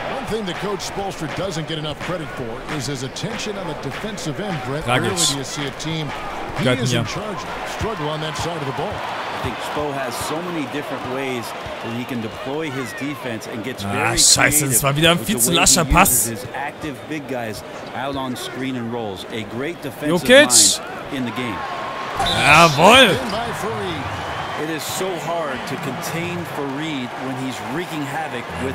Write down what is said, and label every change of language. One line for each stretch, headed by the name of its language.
English: Thing that Coach Spoelstra doesn't get enough credit for is his attention on the defensive end. Brett, rarely do you see a team he is in charge of struggle on that side of the ball. I think Spo has so many different ways that he can deploy his defense and gets very creative.
German: Ah, scheiße, das war wieder ein viel zu lascher Pass.
English: His active big guys out on screen and rolls, a great defensive line in the game.
German: Jawohl.
English: It is so hard to contain Fareed when he's wreaking havoc with